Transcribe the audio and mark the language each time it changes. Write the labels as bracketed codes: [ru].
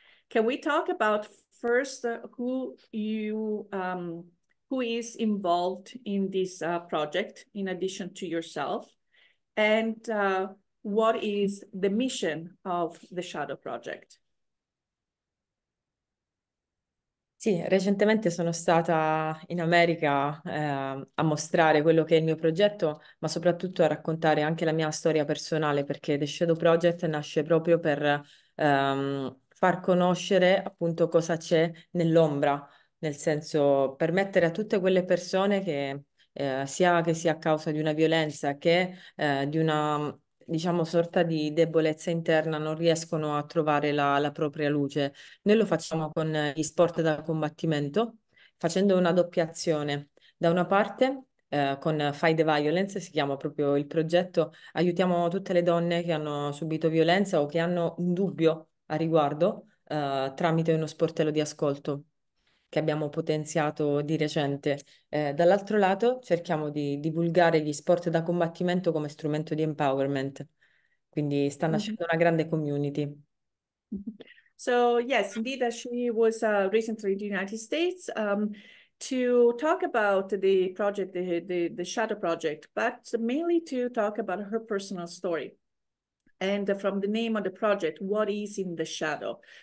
[en] Can we talk about first who is involved in this project in addition to yourself, and what is the mission of the shadow project? [it] Sì, recentemente sono stata in America a mostrare quello che è il mio progetto, ma soprattutto a raccontare anche la mia storia personale, perché The Shadow Project nasce proprio per far conoscere appunto cosa c'è nell'ombra, nel senso permettere a tutte quelle persone che sia che sia a causa di una violenza che di una, diciamo, sorta di debolezza interna, non riescono a trovare la propria luce. Noi lo facciamo con gli sport da combattimento, facendo una doppia azione. Da una parte, con Fight the Violence, si chiama proprio il progetto, aiutiamo tutte le donne che hanno subito violenza o che hanno un dubbio a riguardo, tramite uno sportello di ascolto che abbiamo potenziato di recente. Dall'altro lato cerchiamo di divulgare gli sport da combattimento come strumento di empowerment. Quindi sta nascendo una grande community. [en] So yes, indeed, she was recently in the United States to talk about the project, the Shadow Project, but mainly to talk about her personal story. And from the name of the project, what is in the shadow?